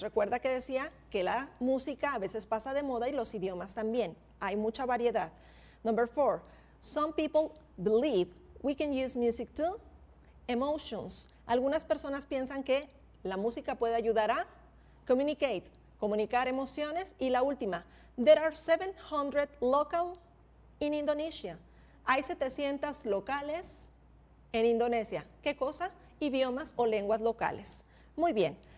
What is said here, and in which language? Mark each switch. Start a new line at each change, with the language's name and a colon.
Spanish: Recuerda que decía que la música a veces pasa de moda y los idiomas también. Hay mucha variedad.
English: Number four. Some people believe we can use music to emotions.
Spanish: Algunas personas piensan que la música puede ayudar a communicate, comunicar emociones. Y la última.
English: There are 700 local in Indonesia.
Spanish: Hay 700 locales en Indonesia. ¿Qué cosa? Idiomas o lenguas locales. Muy bien.